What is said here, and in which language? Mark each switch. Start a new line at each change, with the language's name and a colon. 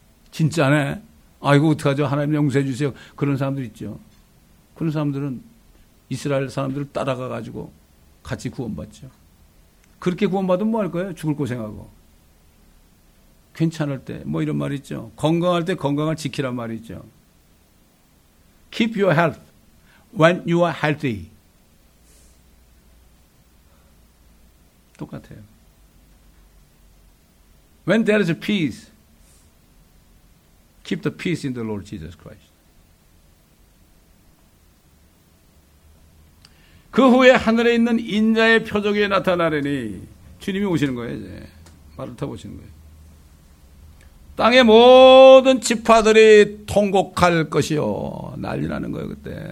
Korean: 진짜네. 아이고, 어떡하죠? 하나님 용서해 주세요. 그런 사람들 있죠. 그런 사람들은 이스라엘 사람들을 따라가가지고 같이 구원받죠. 그렇게 구원받으면 뭐 할 거예요? 죽을 고생하고. 괜찮을 때, 뭐 이런 말 있죠. 건강할 때 건강을 지키란 말 있죠.
English: Keep your health when you are healthy.
Korean: 똑같아요.
English: When there is a peace, keep the peace in the Lord Jesus Christ.
Korean: 그 후에 하늘에 있는 인자의 표적이 나타나리니 주님이 오시는 거예요. 이제 말을 타보시는 거예요. 땅의 모든 지파들이 통곡할 것이요. 난리 나는 거예요, 그때.